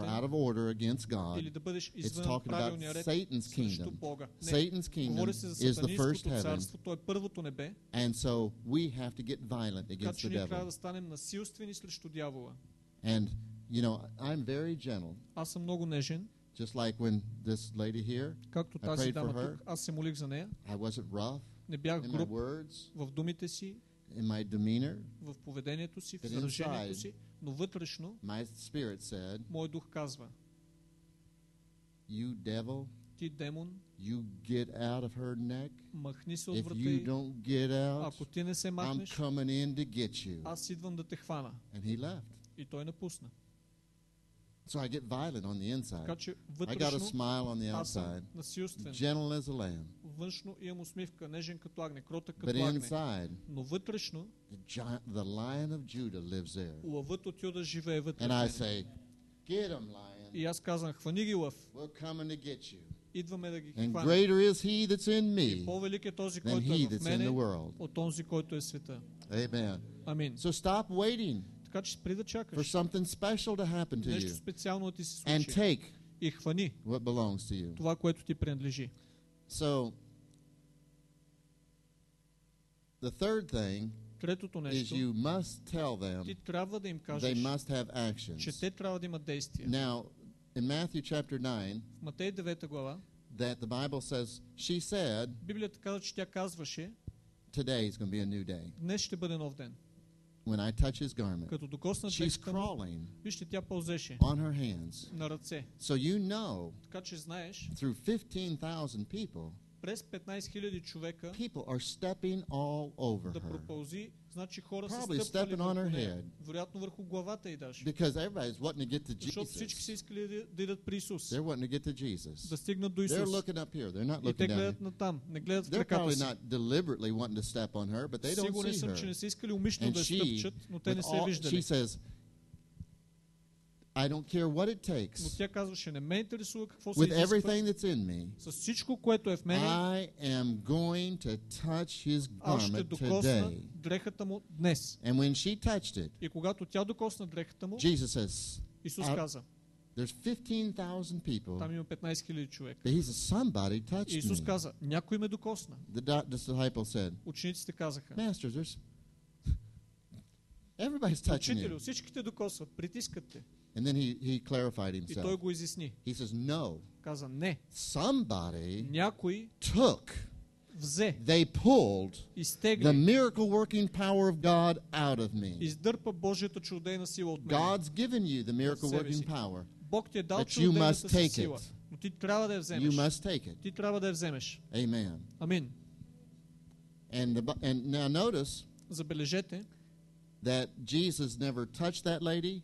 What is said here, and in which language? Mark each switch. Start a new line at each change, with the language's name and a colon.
English: Or out of order against God.
Bulgarian: Или да бъдеш извън
English: It's talking about Satan's kingdom. Satan's kingdom is the first heaven.
Bulgarian: Той е първото небе.
English: And so we have to get violent against the devil.
Bulgarian: Трябва да станем насилствени срещу дявола.
English: And you know, I'm very gentle.
Bulgarian: Аз съм много нежен.
English: Just like when this лady here.
Bulgarian: Както тази дама тук, аз се молих за нея.
English: I wasn't rough.
Bulgarian: Не бях груб.
English: In my words.
Bulgarian: В думите си.
English: In my demeanor,
Bulgarian: в поведението си, в изражението си, но вътрешно
English: my spirit said,
Bulgarian: мой дух казва,
English: you devil,
Bulgarian: ти демон,
English: you get out of her neck,
Bulgarian: махни се от врата
English: if you don't get out,
Bulgarian: ако ти не се махнеш,
English: I'm coming in to get you.
Bulgarian: Аз идвам да те хвана.
English: And he left.
Bulgarian: И той напусна.
English: So I get violent on the inside.
Bulgarian: Така че вътрешно,
English: I got a smile on the outside. Gentle as a lamb.
Bulgarian: Външно имам усмивка, нежен като агне, кротък като
English: But inside,
Bulgarian: агне. Но вътрешно,
English: the lion of Judah lives there.
Bulgarian: Лъвът от Юда живее вътре.
English: And I say, get him, lion.
Bulgarian: И аз казвам, хвани ги лъв.
English: We're coming to get you.
Bulgarian: Идваме да ги хванем.
English: And greater is he that's in me.
Bulgarian: И по-велик е този, който
English: than
Bulgarian: е
English: he that's
Bulgarian: мене,
English: in the world.
Bulgarian: От онзи, който е света.
English: Amen.
Bulgarian: Амин.
English: So stop waiting.
Bulgarian: Така че спри да чакаш.
English: For something special to happen to you.
Bulgarian: Нещо специално ти се случи.
English: And take
Bulgarian: и хвани
English: what belongs to you.
Bulgarian: Това, което ти принадлежи.
English: So, the third thing
Bulgarian: третото нещо
English: is you must tell them
Bulgarian: ти трябва да им кажеш
English: they must have actions.
Bulgarian: Че те трябва да имат действия.
English: Now, in Matthew chapter 9
Bulgarian: в Матей 9 глава
English: that the Bible says, she said
Bulgarian: Библията казва, че тя казваше
English: today is going to be a new day.
Bulgarian: Днес ще бъде нов ден.
English: When I touch his garment,
Bulgarian: като докосна дрехата му, вижте, тя пълзеше
English: on her hands.
Bulgarian: На ръце.
English: So you know,
Bulgarian: така че знаеш,
English: through 15,000 people,
Bulgarian: през 15 000 човека
English: people are stepping all over
Bulgarian: да проползи, значи хора
English: probably
Bulgarian: са стъпвали върху нея, вероятно върху главата и даже.
English: Because everybody's wanting to get to Jesus.
Bulgarian: Защото всички са искали да идат при Исус.
English: They're wanting to get to Jesus.
Bulgarian: Да стигнат до Исус.
English: They're looking up here. They're not looking down.
Bulgarian: И те гледат на там, не гледат в краката си.
English: They're probably not deliberately wanting to step on her, but they don't see her.
Bulgarian: Сигурен съм, че не са искали умишно да стъпчат, но те не се виждали.
English: She says, I don't care what it takes.
Bulgarian: Но тя казваше, не ме интересува какво се изисква.
English: With everything that's in me.
Bulgarian: С всичко, което е в мене.
English: I am going to touch his garment today.
Bulgarian: Аз ще докосна дрехата му днес.
English: And when she touched it.
Bulgarian: И когато тя докосна дрехата му.
English: Jesus says.
Bulgarian: Исус каза.
English: There's 15,000 people.
Bulgarian: Там има 15 000 човека.
English: He says, somebody touched me.
Bulgarian: Исус каза, някой ме докосна.
English: The disciple said.
Bulgarian: Учениците казаха.
English: Master, there's everybody's touching you.
Bulgarian: Учителю, всички те докосват, притискат те.
English: And then he clarified himself.
Bulgarian: И той го изясни.
English: He says no.
Bulgarian: Каза не.
English: Somebody
Bulgarian: някой
English: took.
Bulgarian: Взе.
English: They pulled
Bulgarian: изтегли.
English: The miracle working power of God out of me.
Bulgarian: Издърпа Божията чудесна сила от мен.
English: God's given you the miracle working power.
Bulgarian: Бог ти е дал чудесната сила. Но ти трябва да я вземеш.
English: You must take it.
Bulgarian: Ти трябва да я вземеш.
English: Amen.
Bulgarian: Амин.
English: And now notice.
Bulgarian: Забележете.
English: That Jesus never touched that lady.